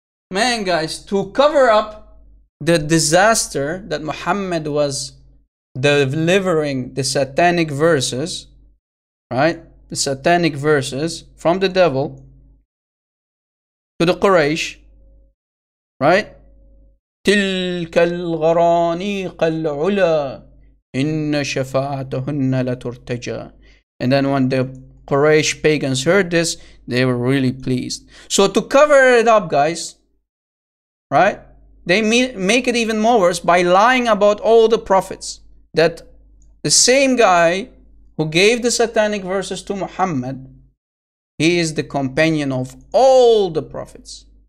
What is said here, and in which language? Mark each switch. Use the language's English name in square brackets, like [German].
[English] Man, guys, to cover up the disaster that Muhammad was delivering the satanic verses, right? The satanic verses from the devil to the Quraysh, right? [Arabic] تلك الغرانيق العلا إن شفاعتهن لترتجى. [English] And then when the Quraysh pagans heard this, they were really pleased. So to cover it up, guys, right? They make it even more worse by lying about all the prophets. That the same guy who gave the satanic verses to Muhammad, he is the companion of all the prophets.